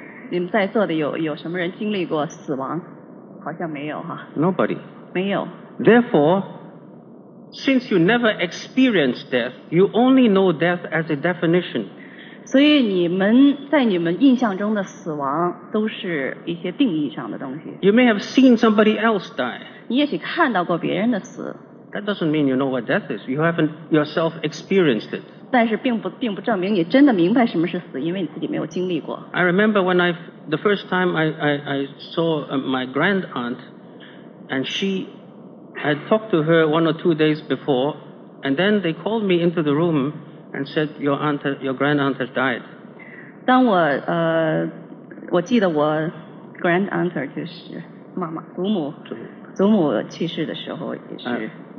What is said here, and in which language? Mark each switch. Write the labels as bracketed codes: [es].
[zh] 你们在座的有什么人经历过死亡？好像没有哈。 [en] Nobody. [zh] 没有。 [en] Therefore, since you never experienced death, you only know death as a definition. [zh] 所以你们印象中的死亡都是一些定义上的东西。 [en] You may have seen somebody else die. [zh] 你也许看到过别人的死。 [en] That doesn't mean you know what death is. You haven't yourself experienced it. [zh] 但是并不证明你真的明白什么是死，因为你自己没有经历过。 [en] I remember when the first time I saw my grand aunt, and she, I talked to her one or two days before, and then they called me into the room. And said your grand aunt has died. [zh] 当我我记得我 grand aunt 就是妈妈祖母去世的时候也是。